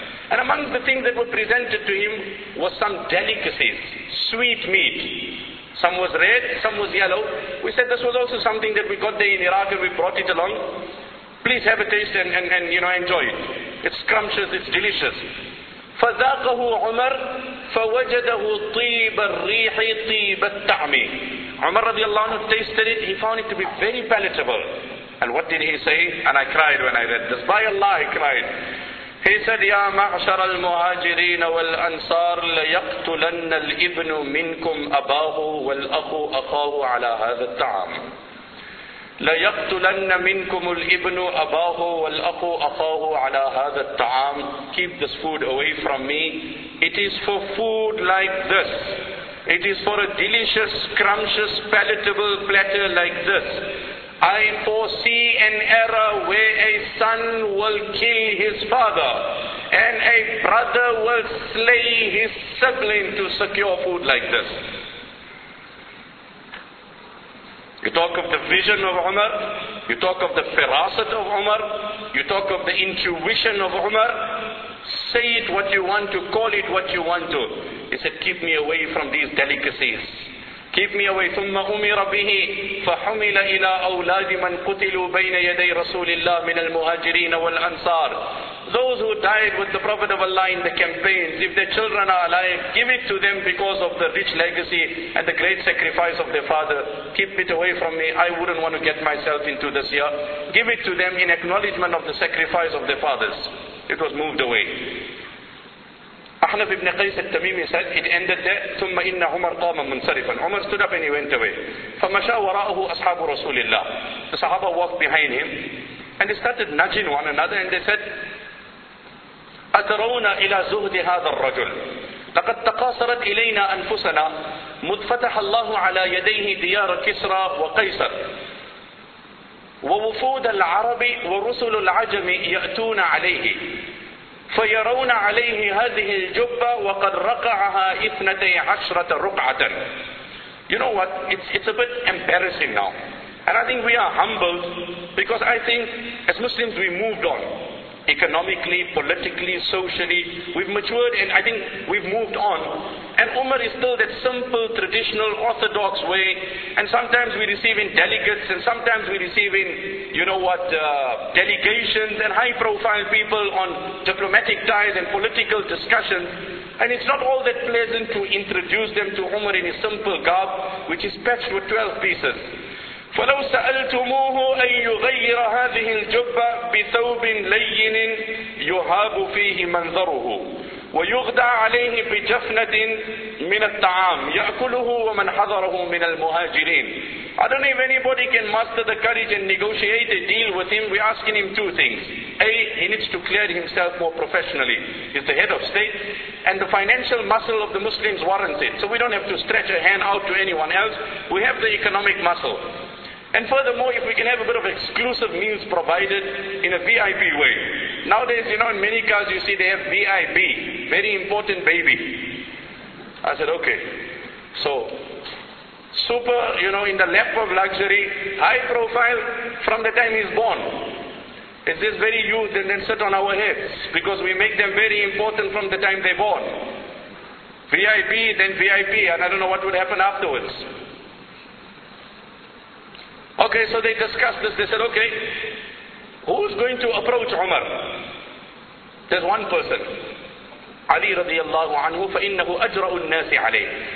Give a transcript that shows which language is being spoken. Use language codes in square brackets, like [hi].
[en] And among the things that were presented to him was some delicacies, sweet meat. Some was red, some was yellow. We said this was also something that we got there in Iraq and we brought it along. Please have a taste and you know, enjoy it. It's scrumptious, it's delicious. [ar] فذاقه عمر فوجده طيب الريح طيب الطعم. عمر رضي الله عنه [en] tasted it, he found it to be very palatable. And what did he say? And I cried when I read this. By Allah, I cried. He said, [ar] يا معشر المهاجرين والأنصار ليقتلن الإبن منكم أباه والأخ أخاه على هذا الطعام. ليقتلن منكم الإبن أباه والأخ أخاه على هذا الطعام. [en] Keep this food away from me. It is for food like this. It is for a delicious, scrumptious, palatable platter like this. I foresee an era where a son will kill his father and a brother will slay his sibling to secure food like this. You talk of the vision of Umar, you talk of the feracity of Umar, you talk of the intuition of Umar. Say it what you want to, call it what you want to. He said, keep me away from these delicacies. Keep me away. [ar] ثم أمر به فحمل إلى أولاد من قتلوا بين يدي رسول الله من المهاجرين والأنصار. [en] Those who died with the Prophet of Allah in the campaigns, if their children are alive, give it to them because of the rich legacy and the great sacrifice of their father. Keep it away from me. I wouldn't want to get myself into this here. Give it to them in acknowledgement of the sacrifice of their fathers. It was moved away. أحنف ابن قيس التميمي said, it ended there. [ar] ثم إن عمر قام منصرفا. [en] عمر stood up and he went away. [ar] فمشى وراءه أصحاب رسول الله. [en] The Sahaba walked behind him and they started nudging one another and they said, [ar] أترون إلى زهد هذا الرجل. لقد تقاصرت إلينا أنفسنا مذ فتح الله على يديه ديار كسرى وقيصر ووفود العرب ورسل العجم يأتون عليه فيرون عليه هذه الجبة وقد رقعها 12 رقعة. [en] You know what? It's a bit embarrassing now. And I think we are humbled because I think as Muslims we moved on. Economically, politically, socially, we've matured and I think we've moved on. And Umar is still that simple, traditional, orthodox way. And sometimes we receive in delegates and sometimes we receive in, you know what, delegations and high profile people on diplomatic ties and political discussions. And it's not all that pleasant to introduce them to Umar in his simple garb, which is patched with 12 pieces. [ar] فَلَوْ سَأَلْتُمُوهُ أَن يُغَيِّرَ هَذِهِ الْجُبَّةِ بِثَوْبٍ لَيِّنٍ يُهَابُ فِيهِ مَنْظَرُهُ وَيُغْدَى عَلَيْهِ بِجَفْنَةٍ مِنَ الطَّعَامِ يَأْكُلُهُ وَمَنْ حَضَرَهُ مِنَ الْمُهَاجِرِينَ. [en] I don't know if anybody can master the courage and negotiate a deal with him. We're asking him two things. A, he needs to clear himself more professionally. He's the head of state. And the financial muscle of the Muslims warrants it. So we don't have to stretch a hand out to anyone else. We have the economic muscle. And furthermore, if we can have a bit of exclusive meals provided in a VIP way. Nowadays, you know, in many cars you see they have VIB, very important baby. I said, okay. So, super, you know, in the lap of luxury, high profile from the time he's born. It's this very youth and then sit on our heads because we make them very important from the time they're born. VIB, then VIP, and I don't know what would happen afterwards. Okay, so they discussed this. They said, okay, who's going to approach Umar? There's one person. [ar] Ali radiallahu anhu, فَإِنَّهُ أَجْرَأُ النَّاسِ عَلَيْهِ.